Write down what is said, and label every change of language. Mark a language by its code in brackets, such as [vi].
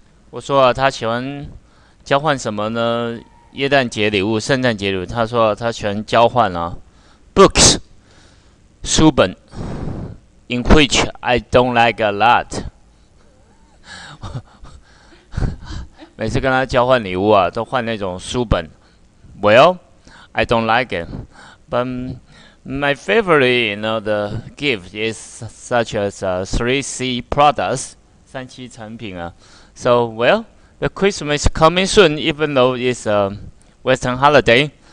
[zh] 我说、啊、他喜欢交换什么呢？耶诞节礼物、圣诞节礼物。他说、啊、他喜欢交换啊。 [en] Books, [zh] 书本 [en] in which I don't like a lot. [zh] 每次跟他交换礼物啊，都换那种书本。 [en] Well, I don't like it. But my favorite, you know, the gift is such as 3C products, [zh] 三 C 产品啊。 [en] So, well, the Christmas is coming soon, even though it's a Western holiday.